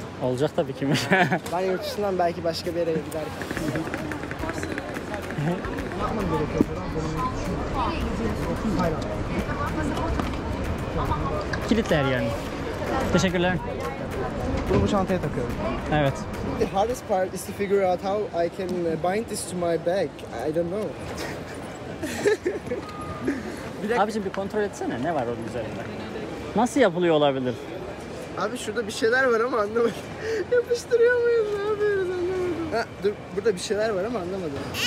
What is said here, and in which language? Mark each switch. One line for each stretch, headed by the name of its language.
Turkish: Olacak tabii ki mi? Ben yurt dışından belki başka bir yere giderim. Kilitler yani. Teşekkürler. Bunu bu çantaya takıyorum. Evet.
English: The hardest part is to figure out how I can bind this to my bag. I don't know.
Turkish: Abicim bir kontrol etsene. Ne var onun üzerinde? Nasıl yapılıyor olabilir? Abi şurada bir şeyler var ama anlamadım. Yapıştırıyor muyuz abi? Anlamadım. Ha, dur, burada bir şeyler var ama anlamadım.